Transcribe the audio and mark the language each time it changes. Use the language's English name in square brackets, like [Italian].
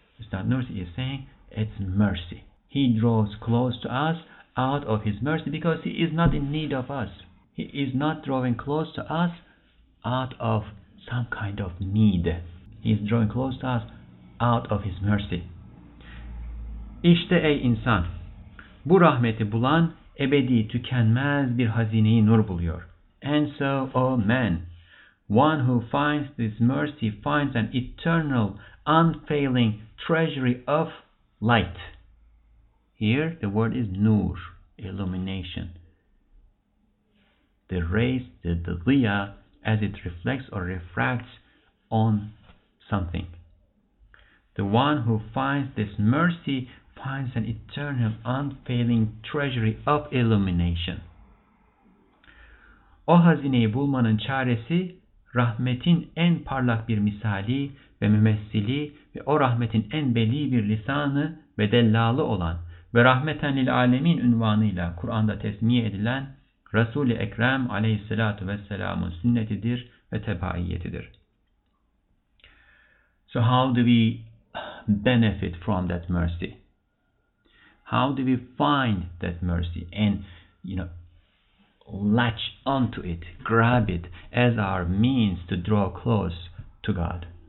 [English] Ustad Nursi is saying, it's mercy. He draws close to us out of His mercy because He is not in need of us. He is not drawing close to us out of some kind of need. He is drawing close to us out of His mercy. [Turkish] İşte ey insan, bu rahmeti bulan ebedi tükenmez bir hazineyi nur buluyor. [English] And so, O man, one who finds this mercy finds an eternal, unfailing treasury of light. Here, the word is nur, illumination. The rays, the diya, as it reflects or refracts on something. The one who finds this mercy finds an eternal, unfailing treasury of illumination. [Turkish] O hazineyi bulmanın çaresi, rahmetin en parlak bir misali ve mümessili ve o rahmetin en belli bir lisanı ve dellalı olan ve rahmeten lil alemin unvanıyla Kur'an'da tesmiye edilen Resul-i Ekrem aleyhissalatu vesselamın sünnetidir ve tebaiyetidir. [English] So how do we benefit from that mercy? How do we find that mercy and, you know, latch onto it, grab it as our means to draw close to God?